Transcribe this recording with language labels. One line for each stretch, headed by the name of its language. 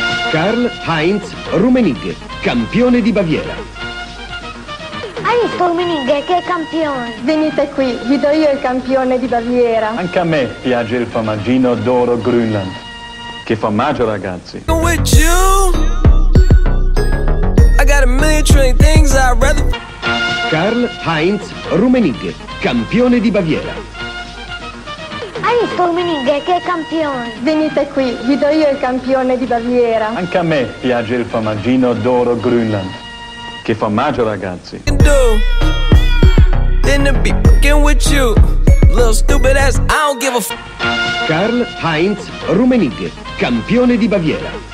Italian: Karl Heinz Rummenigge, campione di Baviera. Ai, Fluminighe, che campione! Venite qui, vi do io il campione di Baviera. Anche a me piace il formaggino d'oro Grünland. Che formaggio, ragazzi!
English: With you! I got a million trillion things I'd rather...
Italian: Karl Heinz Rummenigge, campione di Baviera. Ai, Fluminighe, che campione! Venite qui, vi do io il campione di Baviera. Anche a me piace il formaggino d'oro Grünland. Che formaggio, ragazzi! Karl Heinz Rummenigge, campione di Baviera.